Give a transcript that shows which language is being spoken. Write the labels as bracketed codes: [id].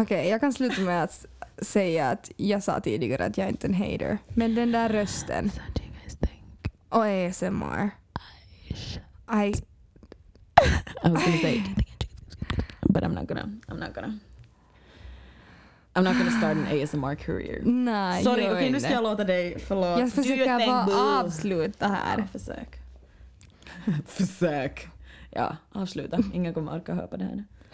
[sv] Okay, jag kan sluta med att säga att jag sa tidigare att jag inte är en hater. Men den där rösten. [en] So do you guys think? [sv] Och ASMR. [en] I was gonna say, but I'm not gonna start an ASMR career. [sv] Nej, sorry, okej, okay, nu ska jag låta dig, förlåt. Jag försöker bara avsluta här. Ja, försök. Försök. Ja, avsluta. Ingen kommer orka höra på det här nu.